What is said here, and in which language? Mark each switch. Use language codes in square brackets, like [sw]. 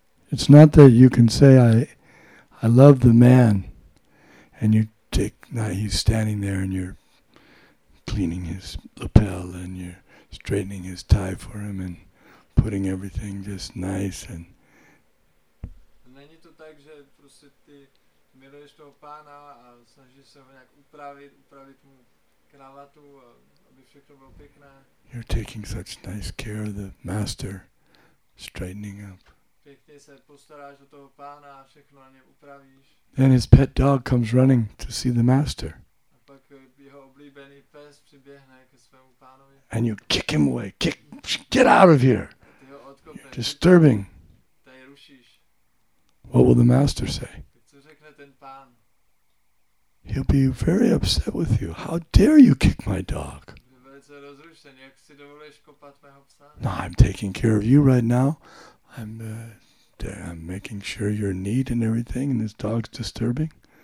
[en] It's not that you can say, I love the man, and you take, now he's standing there and you're cleaning his lapel and you're straightening his tie for him and putting everything just nice and... [cs] Není to tak, že prostě ty miluješ toho pána a snažíš se ho nějak upravit mu kravatu, aby všechno bylo pěkné. [en] You're taking such nice care of the master, straightening up. [cs] Pěkně se postaráš o toho pána a všechno na něm upravíš. [en] Then his pet dog comes running to see the master. [cs] A pak jeho oblíbený pes přiběhne ke svému pánovi. [en] And you kick him away. Kick, get out of here. You're disturbing. [cs] Tady rušíš. [en] What will the master say? [cs] Co řekne ten pán? [en] He'll be very upset with you. How dare you kick my dog? [cs] Velice rozrušen. Jak si dovolíš kopat mého psa? [en] No, I'm taking care of you right now. I'm making sure you're neat and everything, and this dog's disturbing.